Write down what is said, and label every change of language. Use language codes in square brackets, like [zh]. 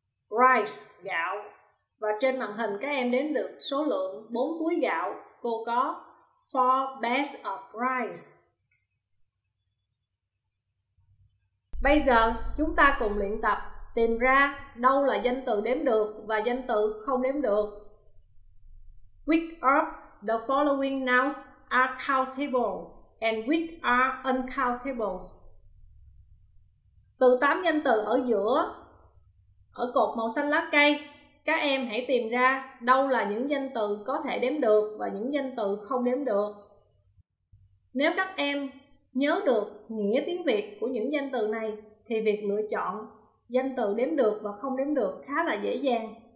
[vi] Rice, gạo. Và trên màn hình các em đếm được số lượng 4 túi gạo, cô có 4 [en] bags of rice. [vi] Bây giờ chúng ta cùng luyện tập tìm ra đâu là danh từ đếm được và danh từ không đếm được. [en] Which of the following nouns are countable and which are uncountable? [vi] Từ 8 danh từ ở giữa, ở cột màu xanh lá cây, các em hãy tìm ra đâu là những danh từ có thể đếm được và những danh từ không đếm được. Nếu các em nhớ được nghĩa tiếng Việt của những danh từ này thì việc lựa chọn danh từ đếm được và không đếm được khá là dễ dàng.